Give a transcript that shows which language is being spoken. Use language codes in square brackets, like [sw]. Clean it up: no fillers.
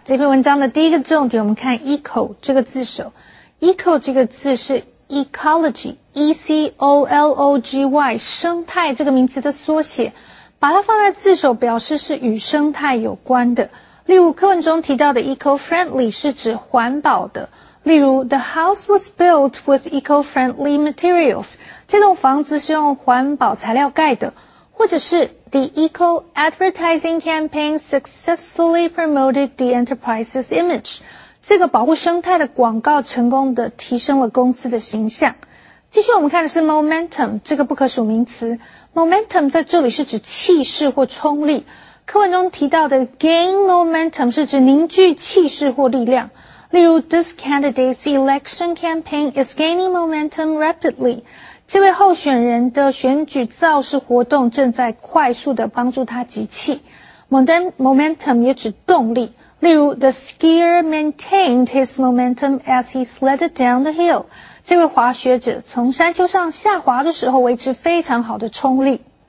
[zh] 这篇文章的第一个重点，我们看 eco 这个字首。 eco 这个字是 ecology, E-C-O-L-O-G-Y, 生态这个名词的缩写。把它放在字首表示是与生态有关的。例如课文中提到的 eco-friendly 是指环保的。 [en] 例如 ,the house was built with eco-friendly materials. [zh] 这栋房子是用环保材料盖的。或者是 [en] The Eco Advertising Campaign successfully promoted the enterprise's image. [zh] 这个保护生态的广告成功地提升了公司的形象。继续我们看的是 Momentum, 这个不可数名词。Momentum 在这里是指气势或冲力。课文中提到的 Gain Momentum 是指凝聚气势或力量。 [en] 例如 This candidate's election campaign is gaining momentum rapidly. [zh] 这位候选人的选举造势活动正在快速地帮助他集气。 Momentum 也指动力。 [en] 例如 ,the skier maintained his momentum as he sledded down the hill. [zh] 这位滑雪者从山丘上下滑的时候维持非常好的冲力。